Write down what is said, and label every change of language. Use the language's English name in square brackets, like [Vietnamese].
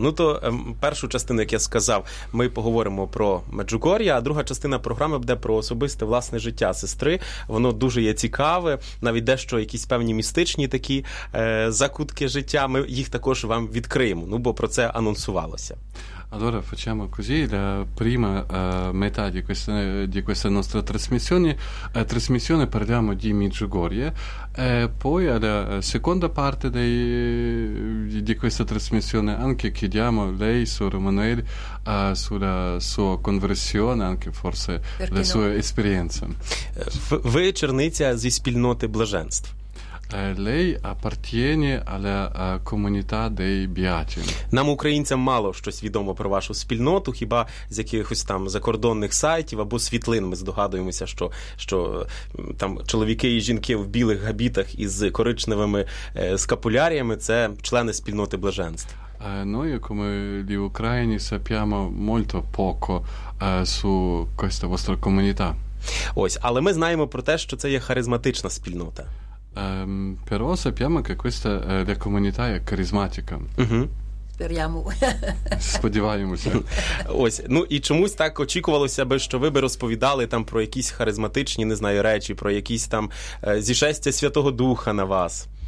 [Ukrainian] Ну то першу частину, як я сказав, ми поговоримо про Меджугор'я, а друга частина програми буде про особисте власне життя сестри. Воно дуже є цікаве, навіть дещо якісь певні містичні такі закутки життя, ми їх також вам відкриємо, ну бо про це анонсувалося. [Italian] Allora facciamo così, la prima metà di questa nostra trasmissione parliamo di Meggiugorje, poi alla seconda parte di questa trasmissione anche chiediamo lei, Sor Emmanuelle, sulla sua conversione, anche forse la sua esperienza. [Ukrainian] Ви черниця зі спільноти блаженств. [Italian] Lei appartiene alla comunità dei Beati. [Ukrainian] Нам, українцям, мало щось відомо про вашу спільноту, хіба з якихось там закордонних сайтів або світлин. Ми здогадуємося, що там чоловіки і жінки в білих габітах із коричневими скапуляріями – це члени спільноти блаженств. [Italian] Noi come gli ucraini sappiamo molto poco su questa vostra comunità. [Ukrainian] Ось, але ми знаємо про те, що це є харизматична спільнота. [Italian] Però sappiamo che questa la comunità è carismatica. Speriamo. [Ukrainian] Сподіваємося. Ось, ну і чомусь так очікувалося би, що ви би розповідали там про якісь харизматичні, не знаю, речі, про якісь там зішестя Святого Духа на вас.